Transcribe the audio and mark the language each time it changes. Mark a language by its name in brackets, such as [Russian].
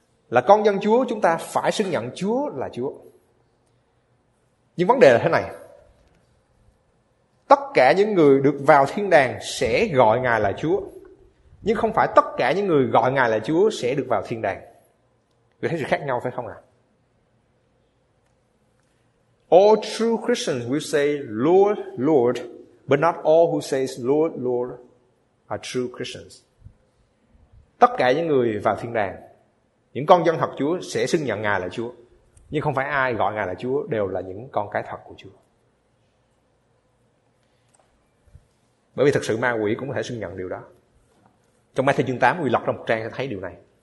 [Vietnamese] Là con dân Chúa, chúng ta phải xưng nhận Chúa là Chúa. Nhưng vấn đề là thế này. Tất cả những người được vào thiên đàng sẽ gọi Ngài là Chúa, nhưng không phải tất cả những người gọi Ngài là Chúa sẽ được vào thiên đàng. Vì thấy sự khác nhau phải không ạ? [English] All true Christians will say Lord, Lord, but not all who say Lord, Lord are true Christians. [Vietnamese] Tất cả những người vào thiên đàng, những con dân thật Chúa sẽ xưng nhận Ngài là Chúa, nhưng không phải ai gọi Ngài là Chúa đều là những con cái thật của Chúa. Bởi vì thực sự ma quỷ cũng có thể xưng nhận điều đó. Trong Ma-thi-ơ chương 8, quỷ lọt trong một trang sẽ thấy điều này.